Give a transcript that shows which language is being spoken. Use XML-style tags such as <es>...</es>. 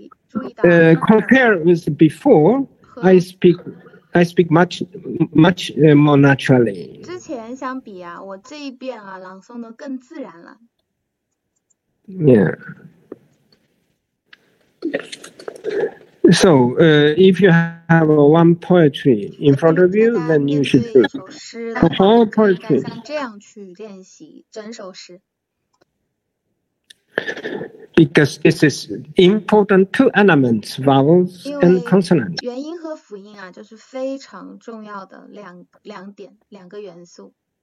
<en>Compare with before, I speak much more naturally.</en> <zh>之前相比啊，我这一遍啊，朗诵的更自然了。</zh> <en>Yeah. So, if you have one poetry in front of you, then you should do the whole poetry.</en> <zh>这样去练习整首诗。</zh> <en>Because this is important two elements, vowels and consonants.</en> <zh>元音和辅音啊，就是非常重要的两点，两个元素。</zh>